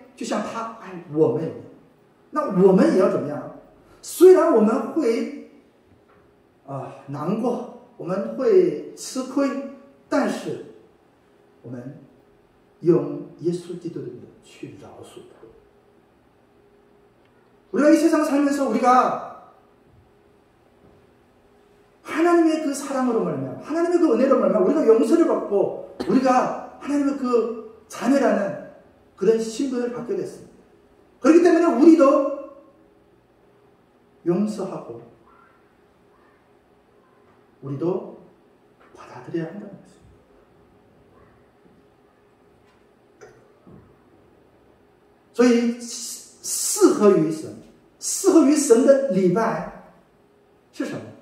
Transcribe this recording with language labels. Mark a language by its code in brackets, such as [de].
[zh] 神希望我们去包容去爱因为就像他爱我们一样 那我们也要怎么样？虽然我们会难过，我们会吃亏，但是我们用耶稣基督的名去饶恕他。 [ko] 우리가 이 세상 살면서 우리가 하나님의 그 사랑으로 말미암아 하나님의 그 은혜로 말미암아 우리가 용서를 받고 우리가 하나님의 그 자녀라는 그런 신분을 받게 됐습니다. 그렇기 때문에 우리도 용서하고 우리도 받아들여야 한다는 것입니다. [zh] 所以 适合于神的礼拜是什么?